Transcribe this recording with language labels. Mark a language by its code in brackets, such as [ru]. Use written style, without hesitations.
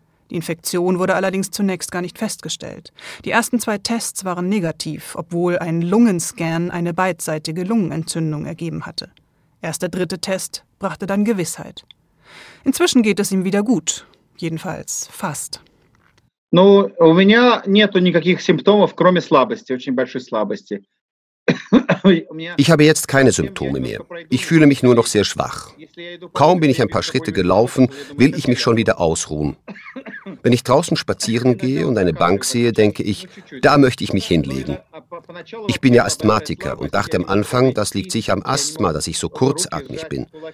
[de] Die Infektion wurde allerdings zunächst gar nicht festgestellt. Die ersten 2 Tests waren negativ, obwohl ein Lungenscan eine beidseitige Lungenentzündung ergeben hatte. Erst der 3. Test brachte dann Gewissheit. Inzwischen geht es ihm wieder gut, jedenfalls fast. [ru] Ну, у меня нету никаких симптомов, кроме слабости, очень большой слабости. [de] Ich habe jetzt keine Symptome mehr. Ich fühle mich nur noch sehr schwach. Kaum bin ich ein paar Schritte gelaufen, will ich mich schon wieder ausruhen. Wenn ich draußen spazieren gehe und eine Bank sehe, denke ich, da möchte ich mich hinlegen. Ich bin ja Asthmatiker und dachte am Anfang, das liegt sicher am Asthma, dass ich so kurzatmig bin.